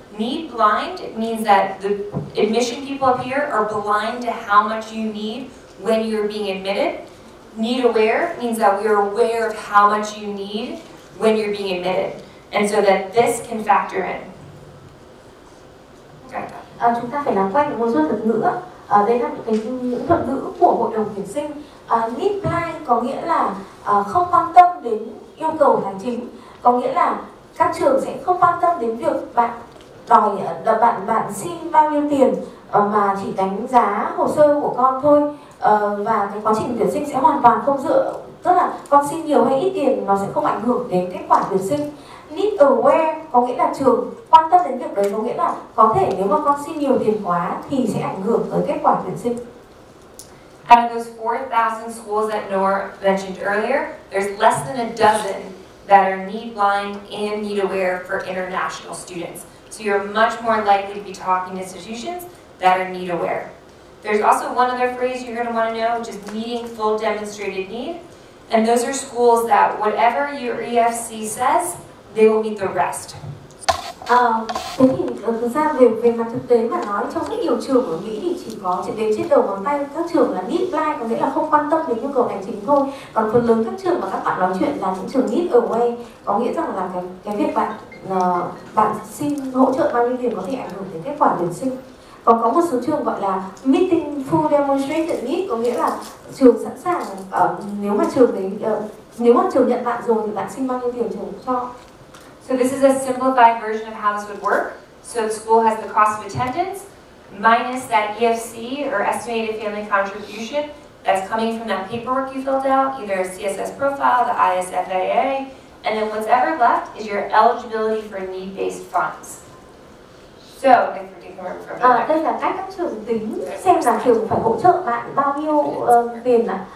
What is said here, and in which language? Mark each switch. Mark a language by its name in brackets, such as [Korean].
[English] Need blind, it means that the admission people up here are blind to how much you need when you're being admitted. Need aware means that we are aware of how much you need when you're being admitted. And so that this can factor in. Okay. [Vietnamese] Chúng ta phải làm quen một số thuật ngữ. Đây là cái những thuật ngữ của hội đồng tuyển sinh. Need blind có nghĩa là không quan tâm đến yêu cầu của hành chính. Có nghĩa là các trường sẽ không quan tâm đến việc bạn đòi bạn xin bao nhiêu tiền mà chỉ đánh giá hồ sơ của con thôi. Và cái quá trình tuyển sinh sẽ hoàn toàn không dựa, tức là con xin nhiều hay ít tiền nó sẽ không ảnh hưởng đến kết quả tuyển sinh. Need aware có nghĩa là trường quan tâm đến việc đấy, có nghĩa là có thể nếu mà con xin nhiều tiền quá thì sẽ ảnh hưởng tới kết quả tuyển sinh. [English] Out of those 4,000 schools that Noor mentioned earlier, there's less than a dozen that are need blind and need aware for international students. So you're much more likely to be talking to institutions that are need aware. There's also one other phrase you're going to want to know, which is meeting full demonstrated need. And those are schools that whatever your EFC says, they will meet the rest. [Vietnamese] Thế thì thực ra về mặt thực tế mà nói, trong rất nhiều trường ở Mỹ thì chỉ có chỉ đếm trên đầu ngón tay các trường là need blind, có nghĩa là không quan tâm đến nhu cầu hành chính thôi. Còn phần lớn các trường mà các bạn nói chuyện là những trường need away, có nghĩa rằng là cái việc bạn xin hỗ trợ bao nhiêu tiền có thể ảnh hưởng đến kết quả tuyển sinh. Còn có một số trường gọi là meeting full demonstrated need, có nghĩa là trường sẵn sàng nếu mà trường nhận bạn rồi thì bạn xin bao nhiêu tiền trường cho. [English] So this is a simplified version of how this would work. So the school has the cost of attendance minus that EFC or estimated family contribution that's coming from that paperwork you filled out, either a CSS profile, the ISFAA, and then what's ever left is your eligibility for need-based funds. So if we're taking room from that. [Vietnamese] Đây là cách các trường tính xem là trường phải hỗ trợ bạn bao nhiêu tiền ạ.